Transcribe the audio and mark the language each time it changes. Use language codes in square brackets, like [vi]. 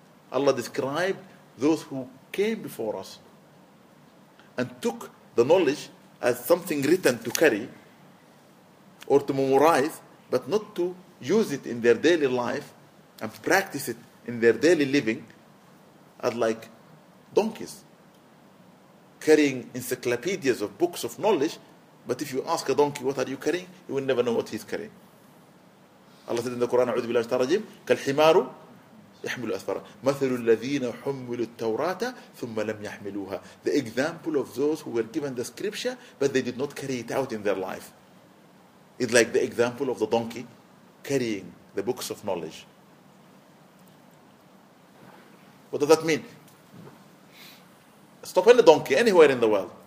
[en] Allah described those who came before us and took the knowledge as something written to carry or to memorize, but not to use it in their daily life and practice it in their daily living, as like donkeys carrying encyclopedias of books of knowledge. But if you ask a donkey, what are you carrying? You will never know what he's carrying. Allah said in the Quran, [ar] أعوذ بالله من الشيطان الرجيم, كالحمار يحمل أسفارا. مثل الذين حملوا التوراة ثم لم يحملوها. [en] The example of those who were given the scripture, but they did not carry it out in their life. It's like the example of the donkey carrying the books of knowledge. What does that mean? Stop any donkey anywhere in the world.